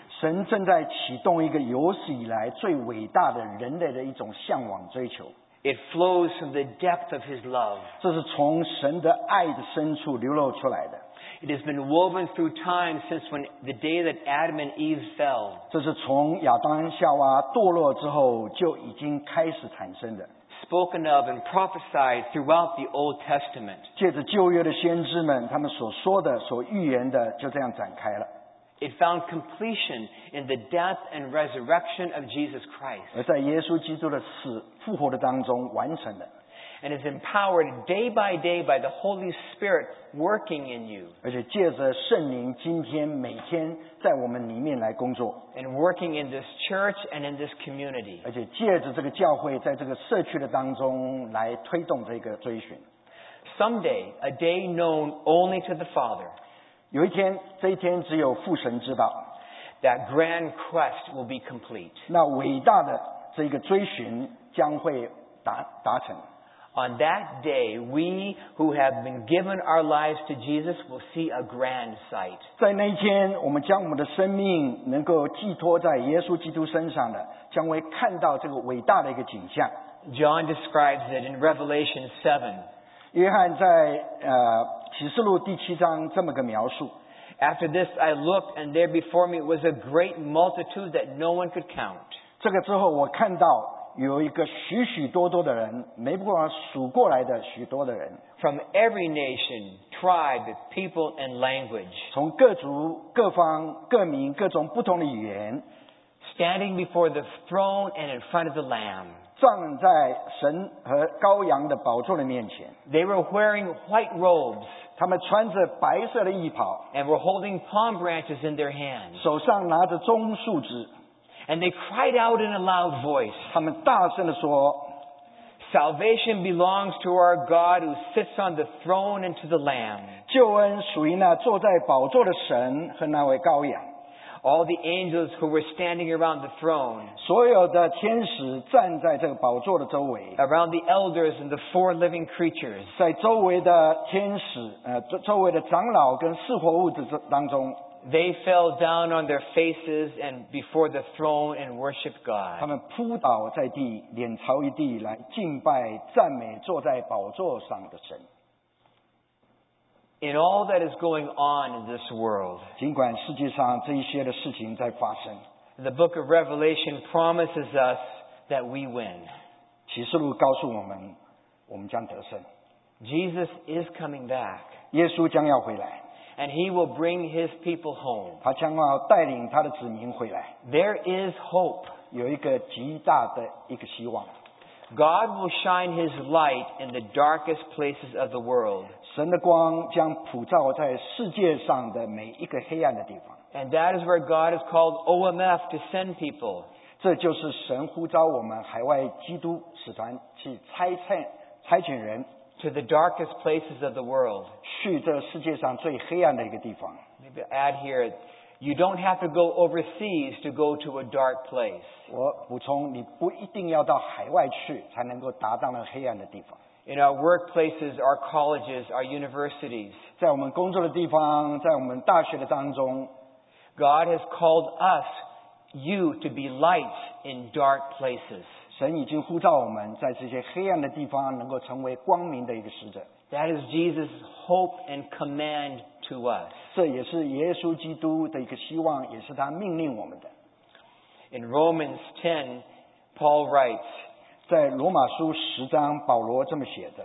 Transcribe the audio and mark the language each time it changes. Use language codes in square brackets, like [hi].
[zh] 神正在启动一个有史以来最伟大的人类的一种向往追求。 [en] It flows from the depth of His love. [zh] 这是从神的爱的深处流露出来的。 [en] It has been woven through time since when the day that Adam and Eve fell. [zh] 这是从亚当夏娃堕落之后就已经开始产生的。 [en] Spoken of and prophesied throughout the Old Testament. [zh] 借着旧约的先知们，他们所说的、所预言的，就这样展开了。 [en] It found completion in the death and resurrection of Jesus Christ. [zh] 而在耶稣基督的死、复活的当中完成的。 [en] And is empowered day by day by the Holy Spirit working in you. [zh] 而且借着圣灵，今天每天在我们里面来工作。 [en] And working in this church and in this community. [zh] 而且借着这个教会，在这个社区的当中来推动这个追寻。 [en] Someday, a day known only to the Father. [zh] 有一天，这一天只有父神知道。 [en] That grand quest will be complete. [zh] 那伟大的这个追寻将会达成。 [en] On that day, we who have been given our lives to Jesus will see a grand sight. [zh] 在那一天，我们将我们的生命能够寄托在耶稣基督身上的，将会看到这个伟大的一个景象。 [en] John describes it in Revelation 7. [zh] 约翰在启示录第七章这么个描述。 [en] After this, I looked, and there before me was a great multitude that no one could count. [zh] 这个之后，我看到。有一个许许多多的人，没办法数过来的许多的人。 [en] From every nation, tribe, people, and language. [zh] 从各族、各方、各民、各种不同的语言。 [en] Standing before the throne and in front of the Lamb. [zh] 站在神和羔羊的宝座的面前。 [en] They were wearing white robes. [zh] 他们穿着白色的衣袍。 [en] And were holding palm branches in their hands. [zh] 手上拿着棕树枝。 [en] And they cried out in a loud voice. [zh] 他们大声地说 [en] Salvation belongs to our God who sits on the throne and to the Lamb. [zh] 救恩属于那坐在宝座的神和那位羔羊。 [en] All the angels who were standing around the throne. [zh] 所有的天使站在这个宝座的周围。 [en] Around the elders and the four living creatures. [zh] 在周围的天使周围的长老跟四活物之当中。 [en] They fell down on their faces and before the throne and worshiped God. [zh] 他们扑倒在地，脸朝一地来敬拜、赞美坐在宝座上的神。 [en] In all that is going on in this world, [zh] 尽管世界上这一些的事情在发生 [en] ，The Book of Revelation promises us that we win. [zh] 启示录告诉我们，我们将得胜。 [en] Jesus is coming back. [zh] 耶稣将要回来。 [en] And he will bring his people home. [zh] 他将要带领他的子民回来。 [en] There is hope. [zh] 有一个极大的一个希望。 [en] God will shine his light in the darkest places of the world. [zh] 神的光将普照在世界上的每一个黑暗的地方。 [en] And that is where God has called OMF to send people. [zh] 这就是神呼召我们海外基督使团去差遣人。 [en] To the darkest places of the world. [zh] 去这世界上最黑暗的一个地方。 [en] Maybe I'll add here, you don't have to go overseas to go to a dark place. [zh] 我补充，你不一定要到海外去才能够达到那黑暗的地方。 [en] In our workplaces, our colleges, our universities. [zh] 在我们工作的地方，在我们大学的当中。 [en] God has called us, you, to be light in dark places. [zh] 神已经呼召我们在这些黑暗的地方能够成为光明的一个使者。 [en] That is Jesus' hope and command to us. [zh] 这也是耶稣基督的一个希望，也是他命令我们的。 [en] In Romans 10, Paul writes, [zh] 在罗马书十章，保罗这么写的。